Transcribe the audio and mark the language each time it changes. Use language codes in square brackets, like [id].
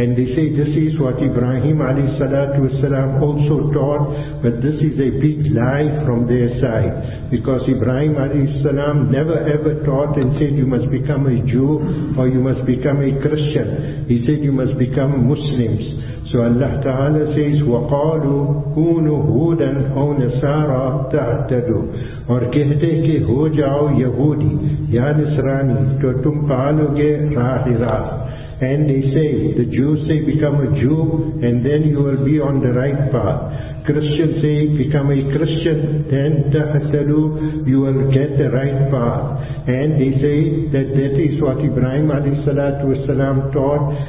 [en] And they say this is what Ibrahim alayhi salatu wasalam also taught, but this is a big lie from their side, because Ibrahim alayhi salam never ever taught and said you must become a Jew or you must become a Christian. He said you must become Muslims. So Allah Ta'ala says, [ar] وَقَالُوا كُونُوا هُودًا أَوْ نَصَارَى تَهْتَدُوا. [ur] اور کہتے کہ ہو جاؤ یہودی یا نصرانی تو تم پالو گے راہ راہ. [en] And they say, the Jews say become a Jew and then you will be on the right path. Christians say become a Christian, then تَهْتَدُوا, you will get the right path. And they say that is what Ibrahim alayhi salatu wasalam taught.